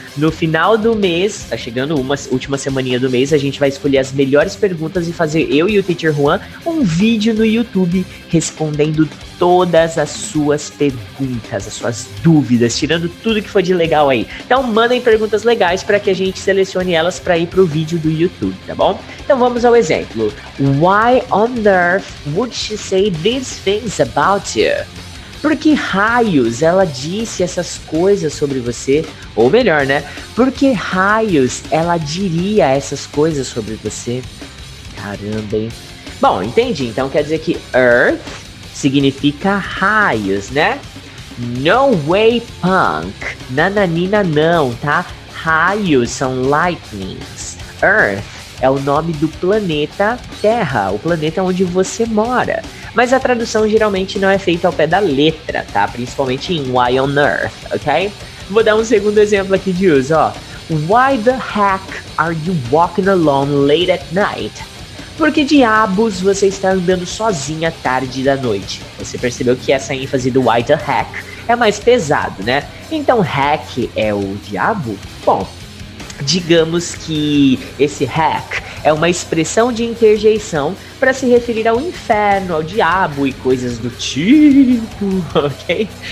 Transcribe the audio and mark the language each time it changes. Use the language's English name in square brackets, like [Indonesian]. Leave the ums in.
[Portuguese] No final do mês, tá chegando uma última semaninha do mês, a gente vai escolher as melhores perguntas e fazer eu e o Teacher Juan um vídeo no YouTube respondendo todas as suas perguntas, as suas dúvidas, tirando tudo que foi de legal aí. Então mandem perguntas legais para que a gente selecione elas para ir pro vídeo do YouTube, tá bom? Então vamos ao exemplo. [English] Why on earth would she say these things about you? [Portuguese] Por que raios ela disse essas coisas sobre você? Ou melhor, né? Por que raios ela diria essas coisas sobre você? Caramba, hein? Bom, entendi. Então quer dizer que Earth significa raios, né? [English] No way punk. [Portuguese] Nananina não, tá? Raios são lightnings. Earth é o nome do planeta Terra, o planeta onde você mora. Mas a tradução geralmente não é feita ao pé da letra, tá? Principalmente em Why on Earth, ok? Vou dar um segundo exemplo aqui de uso, ó. [English] Why the heck are you walking alone late at night? [Portuguese] Por que diabos você está andando sozinha tarde da noite? Você percebeu que essa ênfase do White the Hack é mais pesado, né? Então, hack é o diabo? Bom. Digamos que esse hack é uma expressão de interjeição para se referir ao inferno, ao diabo e coisas do tipo, ok?